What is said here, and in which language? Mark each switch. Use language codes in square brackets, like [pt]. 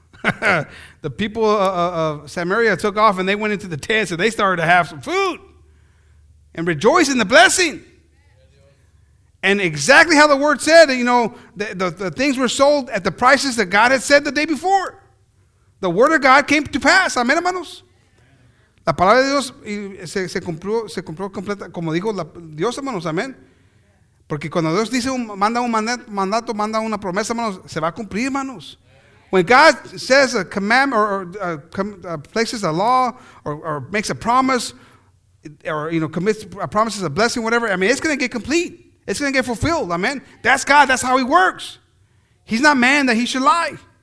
[en] The people of Samaria took off, and they went into the tents, and they started to have some food and rejoice in the blessing. And exactly how the word said, you know, the things were sold at the prices that God had said the day before. The word of God came to pass. Amen, hermanos. [es] La palabra de Dios se cumplió completa, como dijo Dios, hermanos. Amen. Porque cuando Dios dice manda un mandato, manda una promesa, hermanos, se va a cumplir, hermanos. [en] When God says a command or places a law or makes a promise or, you know, commits a promise as a blessing, whatever, I mean, it's going to get complete. It's going to get fulfilled. Amen. That's God. That's how he works. He's not man that he should lie.